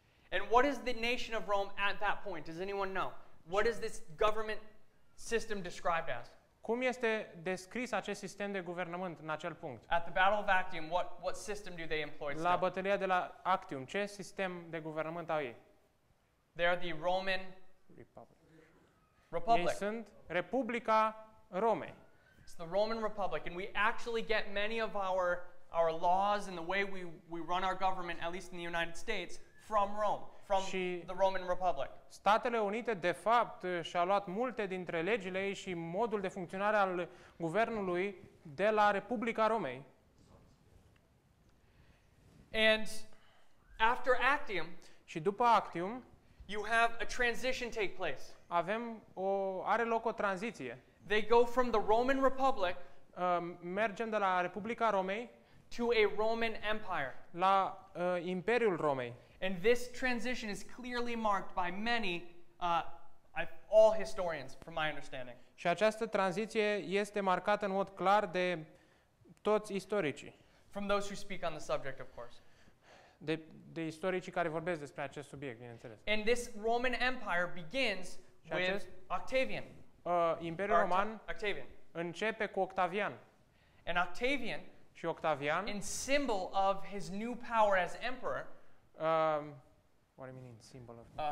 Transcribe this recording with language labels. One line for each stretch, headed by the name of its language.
English: And what is the nation of Rome at that point? Does anyone know? What is this government system described as?
Romanian: Cum este descris acest sistem de guvernământ în acel punct?
English: At the Battle of Actium, what system do they employ?
Romanian: La bătălia de la Actium, ce sistem de guvernământ au ei?
English: They are the Roman Republic. Republic.
Romanian: Ei sunt Republica Romei.
English: It's the Roman Republic, and we actually get many of our laws and the way we run our government, at least in the United States, from Rome, from the Roman Republic.
Romanian: Statele Unite de fapt și-a luat multe dintre legile și modul de funcționare al guvernului de la Republica Romei.
English: And After Actium,
Romanian: și după Actium,
English: you have a transition take place.
Romanian: Avem o, are loc o tranziție.
English: They go from the Roman Republic,
Romanian: mergem de la Republica Romei,
English: to a Roman Empire.
Romanian: La Imperiul Romei.
English: And this transition is clearly marked by many all historians from my understanding.
Romanian: Și această tranziție este marcată în mod clar de toți istoricii.
English: From those who speak on the subject, of course.
Romanian: De istoricii care vorbesc despre acest subiect, bineînțeles.
English: And this Roman Empire begins with Octavian.
Romanian: Imperiul Roman Octavian. Începe cu Octavian.
English: And Octavian,
Romanian: și Octavian,
English: in symbol of his new power as emperor, what do you mean in symbol of